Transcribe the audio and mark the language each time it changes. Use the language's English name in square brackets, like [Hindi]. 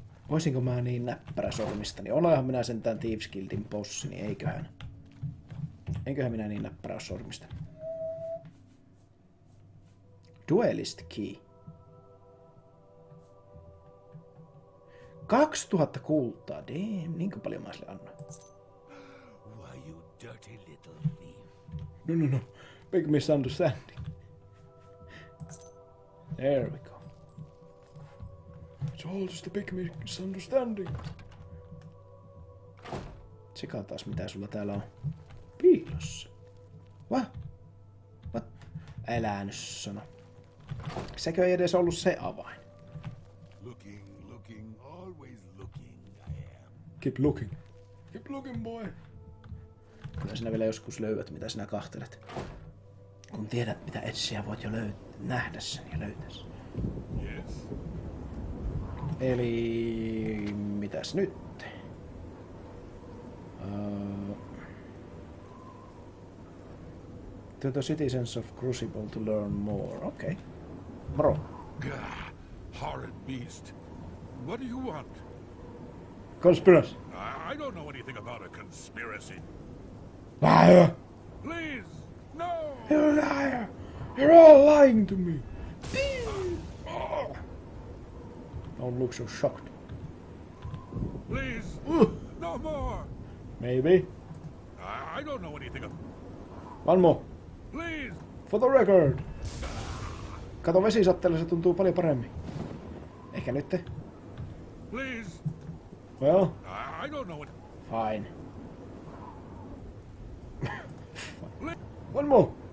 [Finnish] Voisinko mä niin näppärä sormista, niin olenhan minä sentään Thieves Guildin bossi, niin eiköhän. Eiköhän minä niin näppärä sormista. [English] Duelist key. [Finnish] 2000 kultaa, damn, niin kuin paljon mä sille annan. [English] Why you dirty little thief? No, no, no, big misunderstanding. There we go. It's all just a big misunderstanding. [Finnish] Tsekataas mitä sulla täällä on. Piilossa. What? Älä nyt sano. Sekö ei edes ollut se avain? [English] Looking, looking, always looking, I am. Keep looking. Keep looking, boy. [Finnish] Kyllä sinä vielä joskus löydät, mitä sinä kahtelet. Kun tiedät, mitä etsiä voit jo nähdä sen ja löytä sen. [English] Yes. [Finnish] Eli mitäs nyt? [English] To the citizens of Crucible to learn more. Okei. Okay. Bro. Gah, horrid beast. What do you want? Conspiracy. I don't know anything about a conspiracy. Liar! Please, no! You're a liar! You're all lying to me! Don't look so shocked. Please, no more! Maybe. I don't know anything about... One more. Please! For the record! [Finnish] Kato vesisatteella, se tuntuu paljon paremmin. Ehkä nytte. [English] Please. Well. I don't know what... Fine. One more.